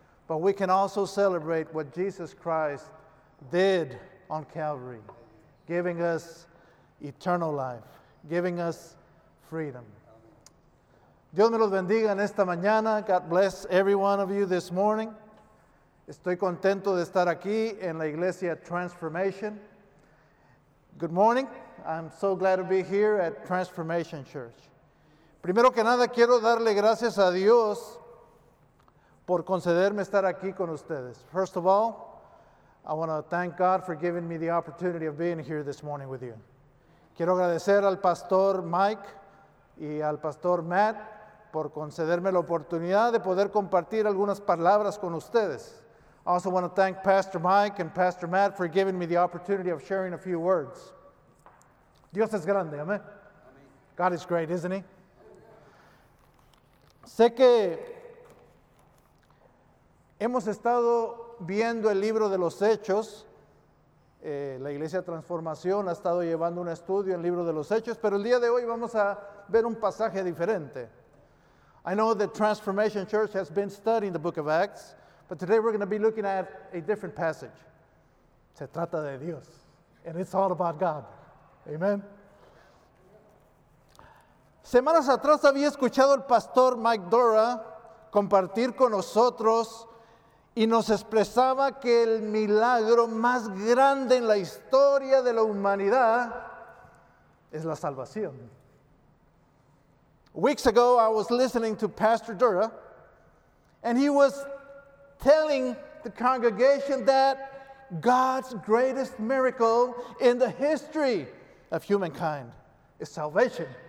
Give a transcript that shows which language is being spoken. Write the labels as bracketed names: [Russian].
[English] But we can also celebrate what Jesus Christ did on Calvary, giving us eternal life, giving us freedom. [Spanish] Dios me los bendiga en esta mañana. [English] God bless every one of you this morning. [Spanish] Estoy contento de estar aquí en la iglesia Transformation. [English] Good morning. I'm so glad to be here at Transformation Church. [Spanish] Primero que nada, quiero darle gracias a Dios por concederme estar aquí con ustedes. [English] First of all, I want to thank God for giving me the opportunity of being here this morning with you. [Spanish] Quiero agradecer al Pastor Mike y al Pastor Matt por concederme la oportunidad de poder compartir algunas palabras con ustedes. [English] I also want to thank Pastor Mike and Pastor Matt for giving me the opportunity of sharing a few words. [Spanish] Dios es grande, amén. [English] God is great, isn't he? [Spanish] Sé que hemos estado viendo el libro de los Hechos. La Iglesia Transformación ha estado llevando un estudio en el libro de los Hechos, pero el día de hoy vamos a ver un pasaje diferente. [English] I know that Transformation Church has been studying the book of Acts, but today we're going to be looking at a different passage. [Spanish] Se trata de Dios. [English] And it's all about God. Amen. [Spanish] Semanas atrás había escuchado al pastor Mike Dora compartir con nosotros y nos expresaba que el milagro más grande en la historia de la humanidad es la salvación. [English] Weeks ago, I was listening to Pastor Dura, and he was telling the congregation that God's greatest miracle in the history of humankind is salvation.